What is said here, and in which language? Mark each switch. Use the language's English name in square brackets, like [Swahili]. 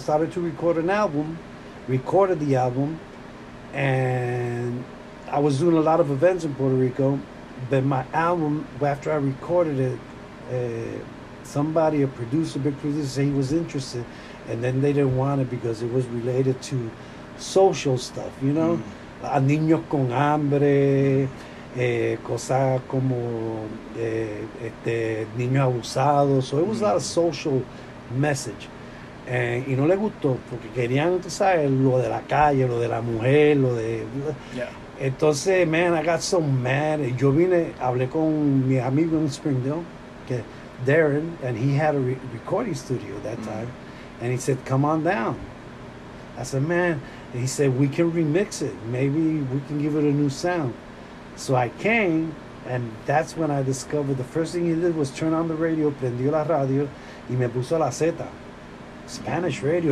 [English] Started to record an album, recorded the album. And I was doing a lot of events in Puerto Rico. But my album, after I recorded it, somebody, a producer, big producer, said he was interested, and then they didn't want it because it was related to social stuff, you know? [Spanish] A niños con hambre, cosas como niños abusados. [English] So it was a lot of social message. [Spanish] Y no le gustó porque querían, tú sabes, lo de la calle, lo de la mujer, lo de... [English] Yeah. Entonces, man, I got so mad. [Spanish] Yo vine, hablé con mi amigo en Springdale, que... [English] Darren, and he had a recording studio that time, and he said, come on down. I said, man, and he said, we can remix it, maybe we can give it a new sound. So I came, And that's when I discovered, the first thing he did was turn on the radio, [Spanish] prendió la radio, y me puso la Z. [English] Spanish radio.